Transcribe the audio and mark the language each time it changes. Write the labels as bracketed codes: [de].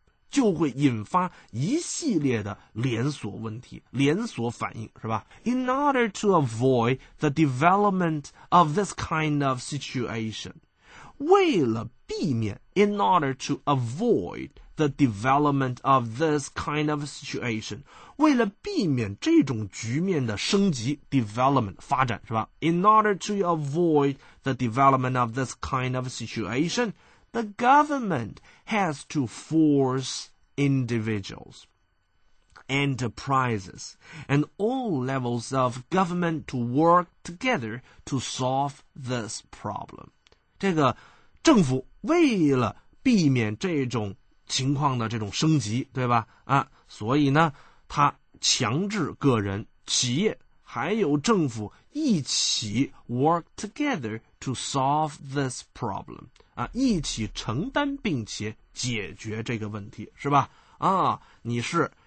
[zh] 就会引发一系列的连锁问题，连锁反应，是吧？ [en] In order to avoid the development of this kind of situation, [zh] 为了避免 [en] in order to avoid the development of this kind of situation, [zh] 为了避免这种局面的升级 [en] development, [zh] 发展是吧 [en] ?In order to avoid the development of this kind of situation, the government has to force individuals, enterprises, and all levels of government to work together to solve this problem. [zh] 这个政府为了避免这种情况的这种升级对吧啊，所以呢他强制个人企业还有政府一起 [en] work together to solve this problem [zh] 啊，一起承担并且解决这个问题是吧啊，你是